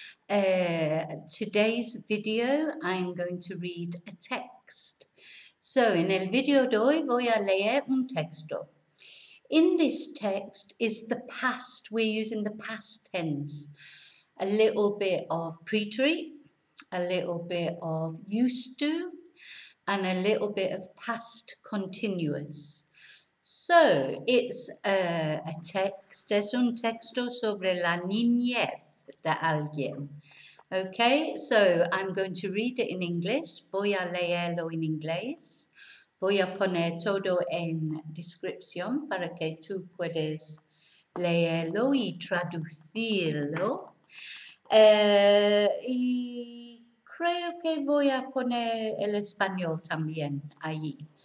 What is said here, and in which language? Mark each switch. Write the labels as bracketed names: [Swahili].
[English] Today's video, I'm going to read a text. [Spanish] So, en el video de hoy, voy a leer un texto. [English] In this text is the past. We're using the past tense. A little bit of preterite, a little bit of used to, and a little bit of past continuous. So, it's a text, [Spanish] es un texto sobre la niñez de alguien. [English] Okay, so I'm going to read it in English. [Spanish] Voy a leerlo en inglés. Voy a poner todo en descripción para que tú puedes leerlo y traducirlo. Y creo que voy a poner el español también ahí.